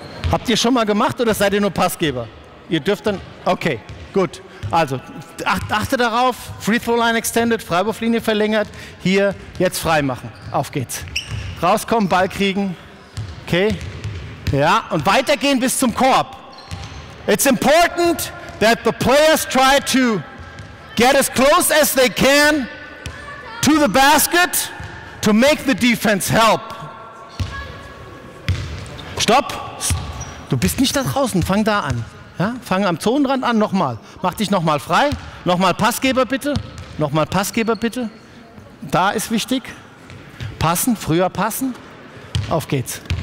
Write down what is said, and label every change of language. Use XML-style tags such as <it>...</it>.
<de>Habt ihr schon mal gemacht oder seid ihr nur Passgeber? Ihr dürft dann... Okay, gut. Also, achte darauf.</de> <en>Free throw line extended,</en> <de>Freiwurflinie verlängert. Hier, jetzt frei machen. Auf geht's. Rauskommen, Ball kriegen. Okay. Ja, und weitergehen bis zum Korb.</de> <en>It's important that the players try to get as close as they can to the basket to make the defense help.</en> <de>Stopp. Du bist nicht da draußen, fang da an. Ja? Fang am Zonenrand an, nochmal. Mach dich nochmal frei. Nochmal Passgeber bitte. Nochmal Passgeber bitte. Da ist wichtig. Passen, früher passen. Auf geht's.</de>